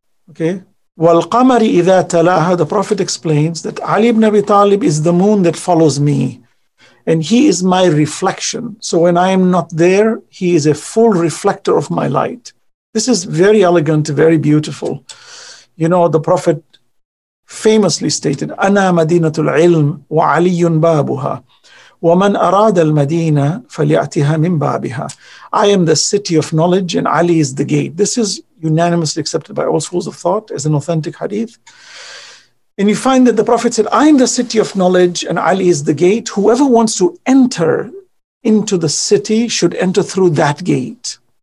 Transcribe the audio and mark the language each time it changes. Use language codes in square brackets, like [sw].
[ar] Okay. وَالْقَمَرِ إِذَا تَلَاهَا. [en] The Prophet explains that Ali ibn Abi Talib is the moon that follows me. And he is my reflection. So when I am not there, he is a full reflector of my light. This is very elegant, very beautiful. You know, the Prophet famously stated, [ar] أَنَا مَدِينَةُ الْعِلْمِ وَعَلِيٌّ بَابُهَا وَمَنْ أَرَادَ الْمَدِينَةِ فَلِيَأْتِهَا مِنْ بَابِهَا. [en] I am the city of knowledge and Ali is the gate. This is unanimously accepted by all schools of thought as an authentic hadith. And you find that the Prophet said, I am the city of knowledge and Ali is the gate. Whoever wants to enter into the city should enter through that gate.